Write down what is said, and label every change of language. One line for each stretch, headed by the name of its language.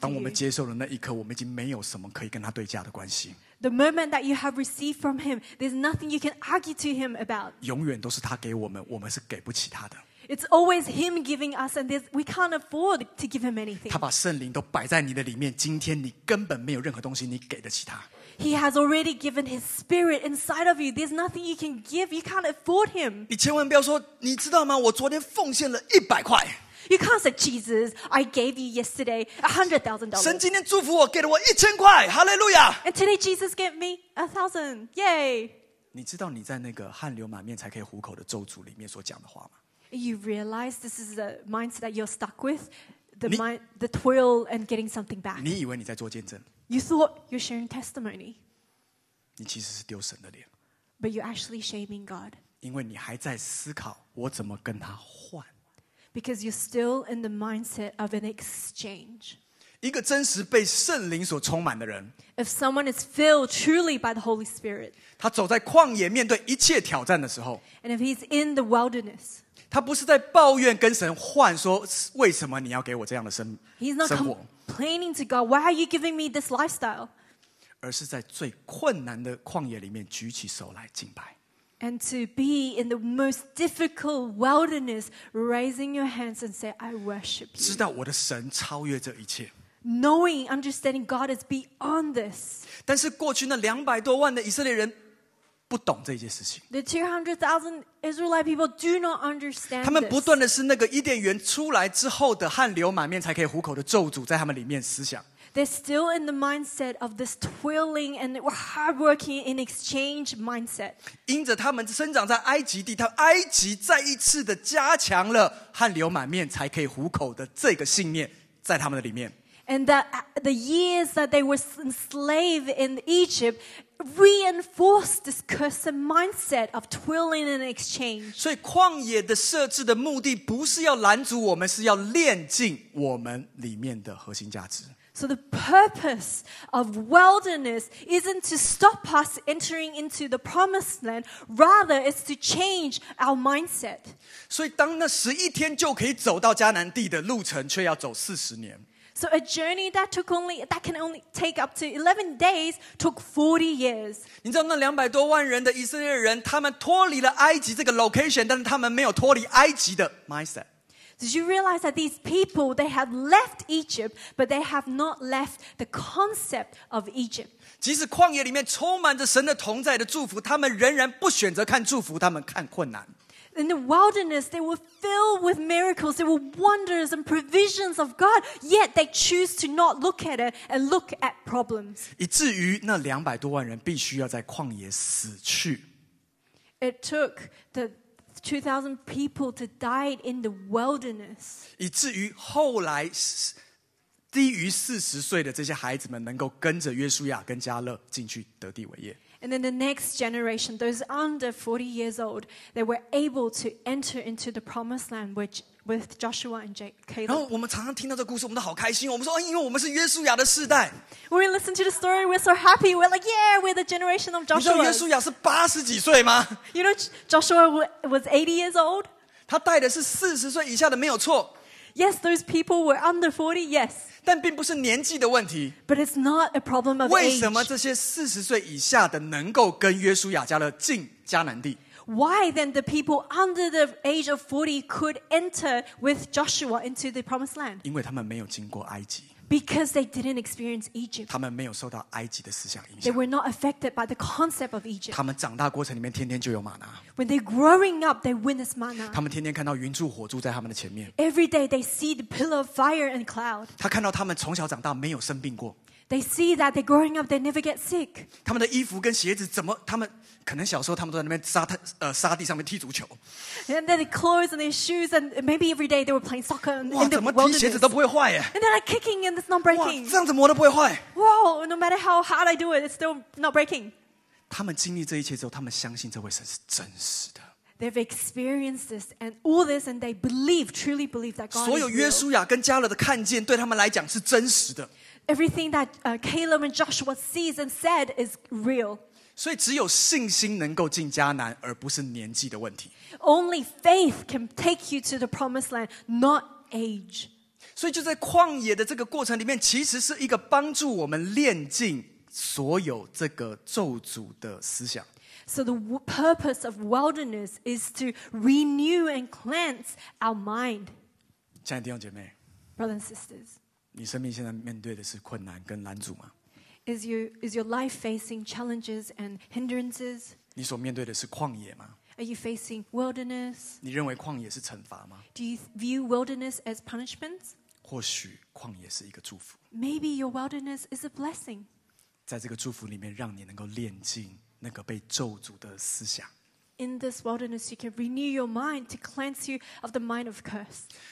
Chinese: 当我们接受了那一刻，我们已经没有什么可以跟他对价的关系。
English: The moment that you have received from him, there's nothing you can argue to him about.
Chinese: 永远都是他给我们，我们是给不起他的。
English: It's always him giving us, and we can't afford to give him anything.
Chinese: 他把圣灵都摆在你的里面，今天你根本没有任何东西你给得起他。
English: He has already given his spirit inside of you. There's nothing you can give. You can't afford him.
Chinese: 你千万不要说，你知道吗？我昨天奉献了100块。
English: You can't say, Jesus, I gave you yesterday $100,000.
Chinese: 神今天祝福我，给了我1000块。
English: Hallelujah. And today Jesus gave me 1,000. Yay.
Chinese: 你知道你在那个汗流满面才可以糊口的咒诅里面所讲的话吗？
English: You realize this is the mindset that you're stuck with, the toil and getting something back.
Chinese: 你以为你在做见证。
English: You thought you're sharing testimony.
Chinese: 你其实是丢神的脸。
English: But you're actually shaming God.
Chinese: 因为你还在思考我怎么跟他换。
English: Because you're still in the mindset of an exchange.
Chinese: 一个真实被圣灵所充满的人。
English: If someone is filled truly by the Holy Spirit.
Chinese: 他走在旷野面对一切挑战的时候。
English: And if he's in the wilderness.
Chinese: 他不是在抱怨跟神换说为什么你要给我这样的生活
English: He's not complaining to God. Why are you giving me this lifestyle?
Chinese: 而是在最困难的旷野里面举起手来敬拜
English: And to be in the most difficult wilderness raising your hands and say I worship you.
Chinese: 知道我的神超越这一切
English: Knowing, understanding God is beyond this.
Chinese: 但是过去那200多万的以色列人不懂这件事情。
English: The 200,000 Israelite people do not understand.
Chinese: 他们不断的是那个伊甸园出来之后的汗流满面才可以糊口的咒诅在他们里面思想。
English: They're still in the mindset of this toiling and hardworking in exchange mindset.
Chinese: 因着他们生长在埃及地，他埃及再一次的加强了汗流满面才可以糊口的这个信念在他们的里面。
English: And that the years that they were enslaved in Egypt reinforced this curse and mindset of toiling and exchange.
Chinese: 所以旷野的设置的目的不是要拦阻我们，是要炼净我们里面的核心价值。
English: So the purpose of wilderness isn't to stop us entering into the promised land, rather it's to change our mindset.
Chinese: 所以当那十一天就可以走到迦南地的路程，却要走四十年。
English: So a journey that took only that can only take up to 11 days took 40 years.
Chinese: 你知道那两百多万人的以色列人，他们脱离了埃及这个 location， 但是他们没有脱离埃及的 mindset。
English: Did you realize that these people they have left Egypt, but they have not left the concept of Egypt?
Chinese: 即使旷野里面充满着神的同在的祝福，他们仍然不选择看祝福，他们看困难。
English: In the wilderness, they were filled with miracles, there were wonders and provisions of God, yet they choose to not look at it and look at problems.
Chinese: 以至于那两百多万人必须要在旷野死去。
English: It took the 2,000 people to die in the wilderness.
Chinese: 以至于后来低于40岁的这些孩子们能够跟着约书亚跟加勒进去得地为业。
English: And then the next generation, those under 40 years old, they were able to enter into the promised land which, with Joshua and Caleb.
Chinese: 然后我们常常听到这故事，我们都好开心。我们说，哦，因为我们是约书亚的世代。
English: When we listen to the story, we're so happy. We're like, yeah, we're the generation of Joshua.
Chinese: 你知道约书亚是八十几岁吗？
English: You know, Joshua was 80 years old.
Chinese: 他带的是四十岁以下的，没有错。
English: Yes, those people were under 40, yes.
Chinese: 但并不是年纪的问题。
English: But it's not a problem of age.
Chinese: 为什么这些40岁以下的能够跟约书亚加勒进迦南地？
English: Why then the people under the age of 40 could enter with Joshua into the promised land?
Chinese: 因为他们没有经过埃及。
English: Because they didn't experience Egypt.
Chinese: 他们没有受到埃及的思想影响。
English: They were not affected by the concept of Egypt.
Chinese: 他们长大过程里面天天就有玛拿。
English: When they're growing up, they witness manna.
Chinese: 他们天天看到云柱火柱在他们的前面。
English: Every day they see the pillar of fire and cloud.
Chinese: 他看到他们从小长大没有生病过。
English: They see that they're growing up, they never get sick.
Chinese: 他们的衣服跟鞋子怎么他们可能小时候他们都在那边沙地上面踢足球。
English: And then the clothes and their shoes and maybe every day they were playing soccer in the
Chinese: wilderness. 哇，怎么踢鞋子都不会坏耶。
English: And they're like kicking and it's not breaking.
Chinese: 哇，这样子磨都不会坏。
English: Whoa, no matter how hard I do it, it's still not breaking.
Chinese: 他们经历这一切之后，他们相信这位神是真实的。
English: They've experienced this and all this and they believe, truly believe that God is real.
Chinese: 所有约书亚跟加勒的看见对他们来讲是真实的。
English: Everything that Caleb and Joshua sees and said is real.
Chinese: 所以只有信心能够进迦南，而不是年纪的问题。
English: Only faith can take you to the promised land, not age.
Chinese: 所以就在旷野的这个过程里面，其实是一个帮助我们炼净所有这个咒诅的思想。
English: So the purpose of wilderness is to renew and cleanse our mind.
Chinese: 亲爱的弟兄姐妹
English: ，Brothers and sisters.
Chinese: 你生命现在面对的是困难跟拦阻吗？
English: Is your life facing challenges and hindrances?
Chinese: 你所面对的是旷野吗
English: ？Are you facing wilderness?
Chinese: 你认为旷野是惩罚吗
English: ？Do you view wilderness as punishments?
Chinese: 或许旷野是一个祝福。
English: Maybe your wilderness is a blessing.
Chinese: 在这个祝福里面，让你能够炼净那个被咒诅的思想。
English: In this wilderness, you can renew your mind to cleanse you of the mind of curse.